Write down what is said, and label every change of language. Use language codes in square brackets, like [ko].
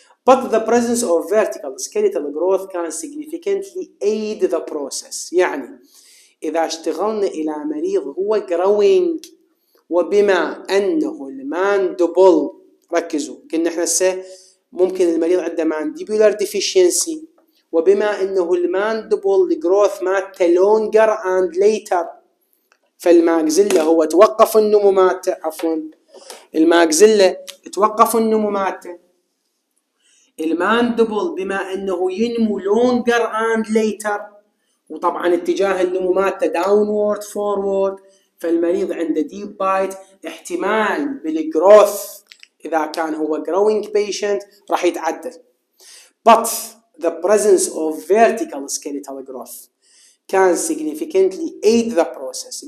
[en] But the presence of vertical skeletal growth can significantly aid the process. [ar] يعني إذا اشتغلنا إلى مريض هو growing وبما أنه الماندبل، ركزوا قلنا إحنا هسه ممكن المريض عنده mandibular deficiency، وبما انه الماندبل جروث مات لونجر اند ليتر، فالماكزيلا هو توقف النمو مات، عفوا الماكزيلا توقف النمو مات، الماندبل بما انه ينمو لونجر اند ليتر وطبعا اتجاه النمو مات داونورد فورورد، فالمريض عنده ديب بايت احتمال بالجروث إذا كان هو growing patient راح يتعدل. [en] But the presence of vertical skeletal growth can significantly aid the process.